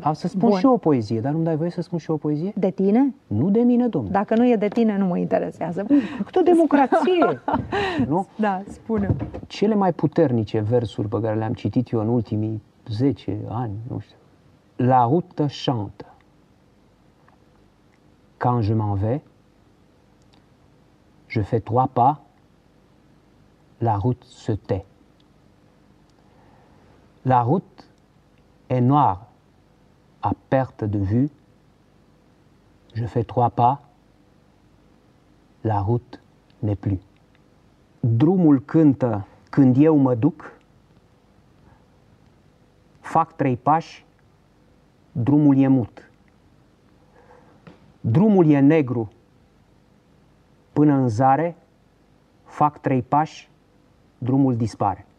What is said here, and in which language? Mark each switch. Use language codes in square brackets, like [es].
[ro] Am să spun și eu o poezie, dar nu-mi dai voie să spun și eu o poezie? De tine? Nu de mine, domnule. Dacă nu e de tine, nu mă interesează. Cât o democrație! Nu? Da, spune. Cele mai puternice versuri pe care le-am citit eu în ultimii 10 ani, nu știu. [fr] La route chante. Quand je m'en vais, je fais trois pas, la route se tait. La route est noir à perte de vue, je fais trois pas, la route n'est plus. [ro] Drumul cântă când eu mă duc, fac trei pași, drumul e mut. Drumul e negru până în zare, fac trei pași, drumul dispare.